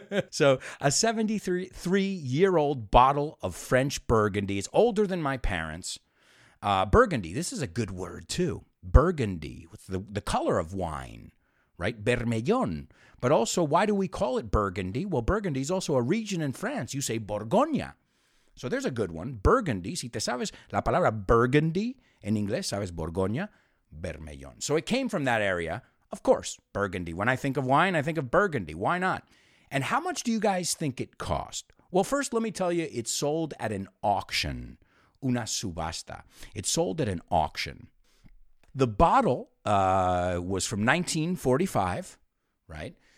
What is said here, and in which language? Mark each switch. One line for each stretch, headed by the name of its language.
English: So a 73-year-old bottle of French Burgundy is older than my parents. Burgundy, this is a good word too. Burgundy, with the color of wine, right? Bermellon. But also, why do we call it Burgundy? Well, Burgundy is also a region in France. You say Borgoña. So there's a good one. Burgundy.
Spanish: Si te sabes la palabra Burgundy en inglés, sabes Borgoña, Bermellon.
English: So it came from that area. Of course, Burgundy. When I think of wine, I think of Burgundy. Why not? And how much do you guys think it cost? Well, first, let me tell you, it sold at an auction.
Spanish: Una subasta.
English: It sold at an auction. The bottle was from 1945, right?